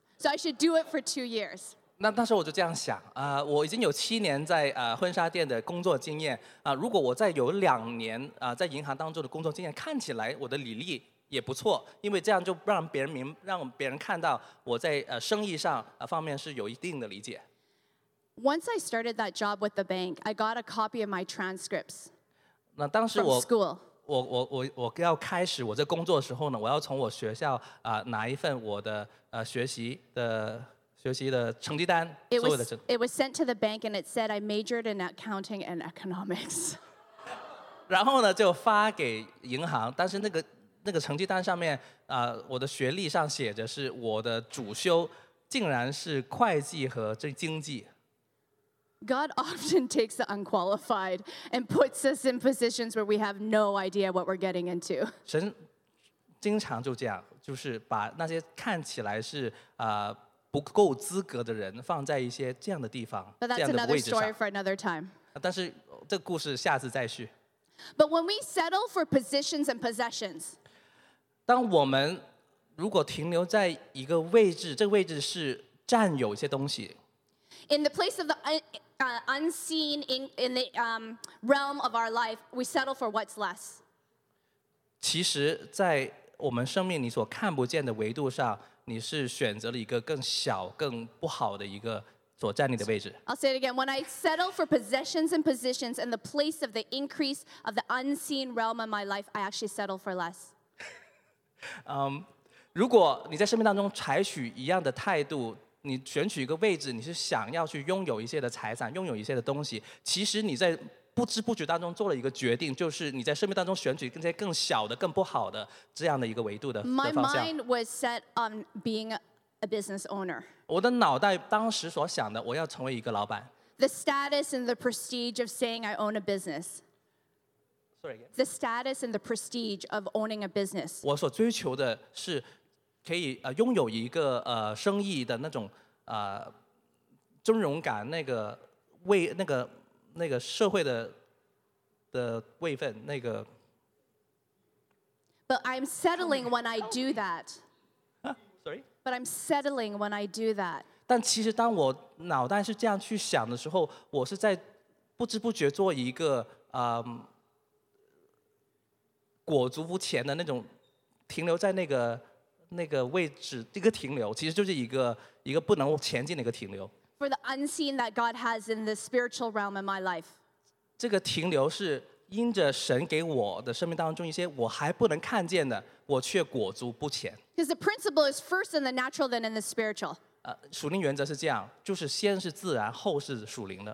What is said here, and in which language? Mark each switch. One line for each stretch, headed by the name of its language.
English: So I should do it for 2 years.
Chinese: 那时候我就这样想啊，我已经有七年在婚纱店的工作经验啊，如果我再有两年啊在银行当中的工作经验，看起来我的履历也不错，因为这样就让别人看到我在生意上方面是有一定的理解。
English: Once I started that job with the bank, I got a copy of my transcripts.
Chinese: 那当时我
English: from school.
Chinese: 我要开始我这工作的时候呢，我要从我学校拿一份我的学习的成绩单。
English: It was sent to the bank, and it said I majored in accounting and economics.
Chinese: 然后呢，就发给银行。但是那个成绩单上面，我的学历上写着是我的主修竟然是会计和经济。
English: God often takes the unqualified and puts us in positions where we have no idea what we're getting into.
Chinese: 神经常就这样，就是把那些看起来是不够资格的人放在一些这样的地方，这样的位置上。
English: But that's another story for another time.
Chinese: 但是这故事下次再续。
English: But when we settle for positions and possessions,
Chinese: 当我们如果停留在一个位置，这个位置是占有一些东西。
English: In the place of the unseen in the realm of our life, we settle for what's less.
Chinese: 其实，在我们生命你所看不见的维度上。你是选择了一个更小、更不好的一个所占领的位置。
English: I'll say it again. When I settle for possessions and positions and the place of the increase of the unseen realm in my life, I actually settle for less.
Chinese: 如果你在生命当中采取一样的态度，你选取一个位置，你是想要去拥有一些的财产，拥有一些的东西，其实你在不知不觉当中做了一个决定，就是你在生命当中选取更小的、更不好的这样的一个维度的方向。
English: My mind was set on being a business owner.
Chinese: 我的脑袋当时所想的，我要成为一个老板。
English: The status and the prestige of saying I own a business. Sorry. The status and the prestige of owning a business.
Chinese: 我所追求的是可以拥有一个生意的那种尊荣感，那个位那个。那个社会的的位分那个。
English: But I'm settling when I do that. Sorry. But I'm settling when I do that.
Chinese: 但其实当我脑袋是这样去想的时候，我是在不知不觉做一个裹足不前的那种停留在那个位置，一个停留，其实就是一个不能前进的一个停留。
English: For the unseen that God has in the spiritual realm in my life.
Chinese: 这个停留是因着神给我的生命当中一些我还不能看见的，我却裹足不前。
English: Because the principle is first in the natural, then in the spiritual.
Chinese: 属灵原则是这样，就是先是自然，后是属灵的。